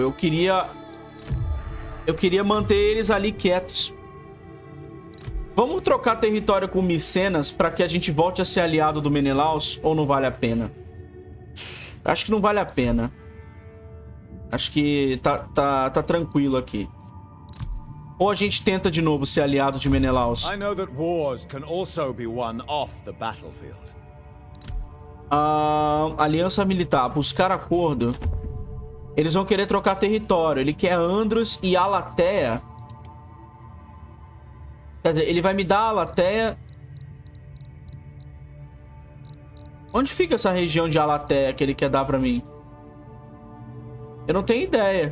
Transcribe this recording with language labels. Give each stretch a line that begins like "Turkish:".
Portuguese: Eu queria manter eles ali quietos. Vamos trocar território com Micenas para que a gente volte a ser aliado do Menelaus, ou não vale a pena? Acho que não vale a pena. Acho que tá tranquilo aqui. Ou a gente tenta de novo ser aliado de Menelaus.
English: I know that wars can also be won off the battlefield.
Portuguese: Aliança militar, buscar acordo. Eles vão querer trocar território. Ele quer Andros e Alatea. Quer dizer, ele vai me dar Alatea. Onde fica essa região de Alatea que ele quer dar pra mim? Eu não tenho ideia.